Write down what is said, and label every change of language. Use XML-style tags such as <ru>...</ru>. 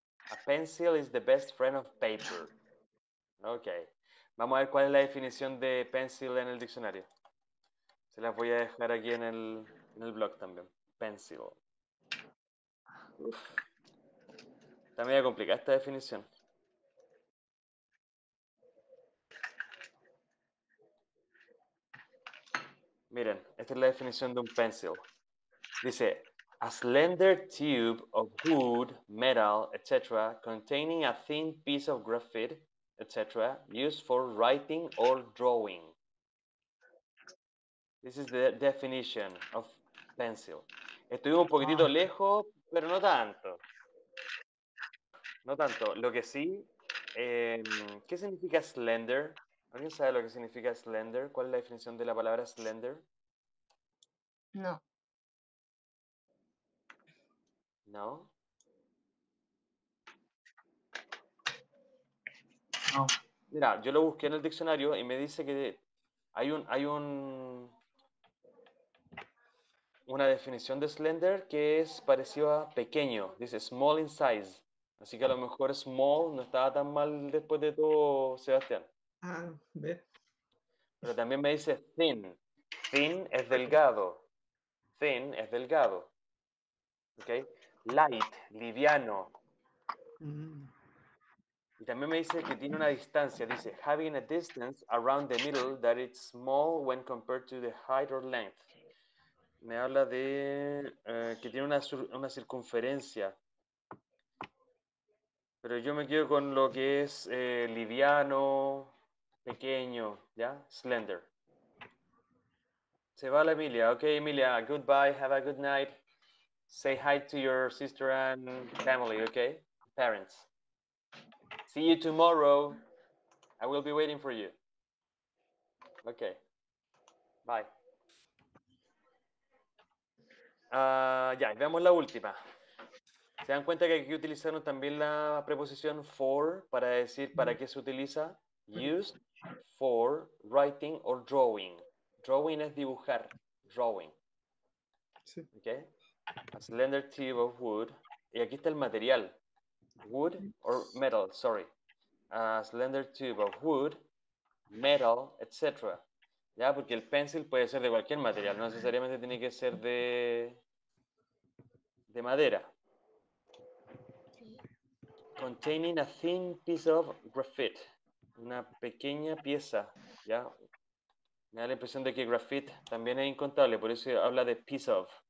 <en>A pencil is the best friend of paper. Ok.</en> <es>Vamos a ver cuál es la definición de pencil en el diccionario. Se las voy a dejar aquí en el blog también. Pencil. Está medio complicada esta definición. Miren, esta es la definición de un pencil.</es> <en>Dice, a slender tube of wood, metal, etc., containing a thin piece of graphite, etc., used for writing or drawing. This is the definition of pencil.</en> <es>Estuvimos un poquitito lejos, pero no tanto. No tanto. Lo que sí, ¿qué significa slender? ¿Alguien sabe lo que significa slender? ¿Cuál es la definición de la palabra slender? No. ¿No? No. Mira, yo lo busqué en el diccionario y me dice que hay un una definición de slender que es parecido a pequeño. Dice</es> <en>small in size.</en> <es>Así que a lo mejor small no estaba tan mal después de todo, Sebastián. Pero también me dice thin. Thin es delgado. Thin es delgado. ¿Ok? Light, liviano. Y también me dice que tiene una distancia.</es> <en>Dice, having a distance around the middle that it's small when compared to the height or length.</en> <es>Me habla de que tiene una circunferencia. Pero yo me quedo con lo que es liviano, pequeño, ¿ya? Slender. Se va la Emilia.</es> <en>Ok, Emilia, goodbye, have a good night. Say hi to your sister and family, okay? Parents. See you tomorrow. I will be waiting for you. Okay. Bye.</en> <es>Ya, veamos la última. ¿Se dan cuenta que aquí utilizaron también la preposición for para decir para qué se utiliza?</es> <en>Used for writing or drawing.</en> <es>Drawing es dibujar. Drawing. Sí.</es> <en>Okay. A slender tube of wood.</en> <es>Y aquí está el material.</es> <en>Wood or metal, sorry. A slender tube of wood, metal, etc.</en> <es>Ya, porque el pencil puede ser de cualquier material. No necesariamente tiene que ser de madera.</es> <en>Containing a thin piece of graphite.</en> <es>Una pequeña pieza, ¿ya? Me da la impresión de que graphite también es incontable, por eso habla de piece of.</es>